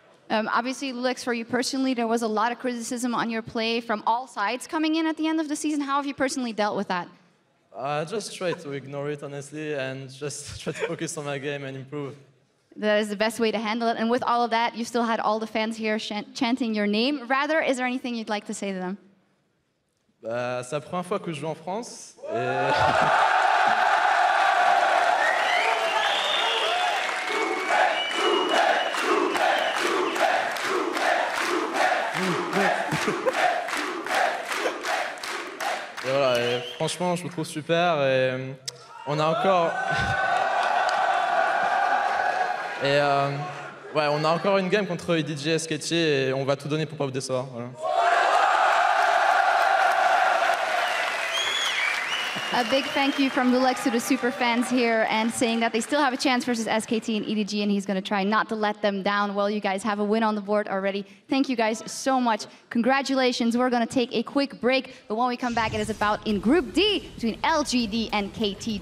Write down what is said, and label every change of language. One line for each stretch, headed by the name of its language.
English: Obviously, Lex, for you personally, there was a lot of criticism on your play from all sides coming in at the end of the season. How have you personally dealt with that? I just try to ignore it, honestly, and just try to focus on my game and improve. That is the best way to handle it. And with all of that, you still had all the fans here chanting your name. Rather, is there anything you'd like to say to them?
French: C'est la première fois que je joue en France. Et voilà, et franchement, je me trouve super et on a encore et ouais, on a encore une game contre EDG et SKT et on va tout donner pour pas vous décevoir. Voilà.
English: A big thank you from Lulex to the super fans here and saying that they still have a chance versus SKT and EDG, and he's going to try not to let them down. Well, you guys have a win on the board already. Thank you guys so much. Congratulations. We're going to take a quick break, but when we come back, it is about in Group D between LGD and KT.